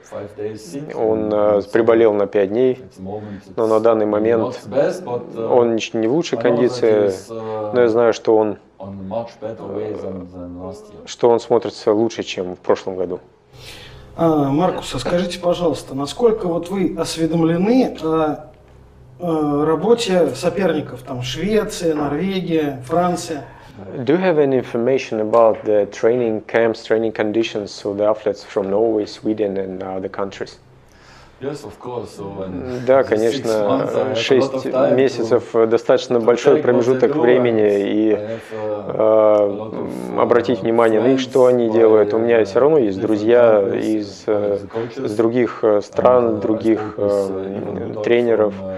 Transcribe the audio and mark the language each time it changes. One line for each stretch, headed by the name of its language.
Russian: Он приболел на 5 дней, но на данный момент он не в лучшей кондиции, но я знаю, что он смотрится лучше, чем в прошлом году. Маркус, а скажите, пожалуйста, насколько вот вы осведомлены о работе соперников, там, Швеция, Норвегия, Франция?
English: Do you have any information about the training camps, training conditions of the athletes from Norway, Sweden and other countries? Yes, of course. So
Russian: да, конечно, 6 месяцев – достаточно большой промежуток времени, и обратить внимание на их, что они делают. У меня все равно есть друзья из других стран, других тренеров.